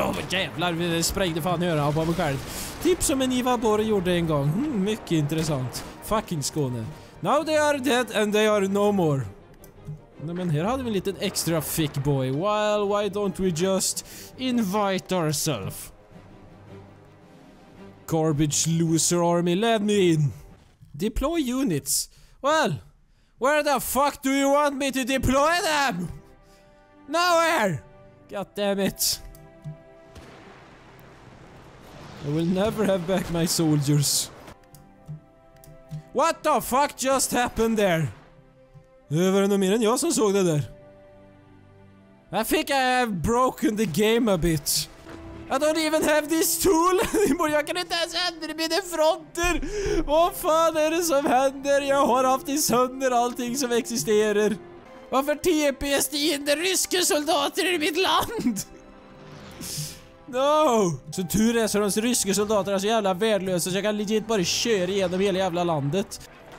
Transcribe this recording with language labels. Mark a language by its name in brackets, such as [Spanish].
[Swedish] Jävlar, det sprängde fan hör på mig själv. Typ som en Ivar Borg gjorde en gång. Mycket intressant. Fucking Skåne. [English] Now they are dead and they are no more. [Swedish] Nej, men här hade vi en liten extra thick boy. [English] Well, why don't we just invite ourselves? Garbage loser army, let me in. Deploy units. Well, where the fuck do you want me to deploy them? Nowhere. God damn it. I will never have back my soldiers. What the fuck just happened there? [Swedish] Var det nog mer än jag som såg det där? [English] I think I have broken the game a bit. I don't even have this tool anymore. [Swedish] Jag kan inte ens ändra mina fronter. Vad fan är det som händer? Jag har haft i sönder allting som existerar. Varför TPS det in de ryska soldater i mitt land? [English] No! [Swedish] Så tur är så de ryska soldater är så jävla värdelösa så jag kan legit bara köra igenom hela jävla landet.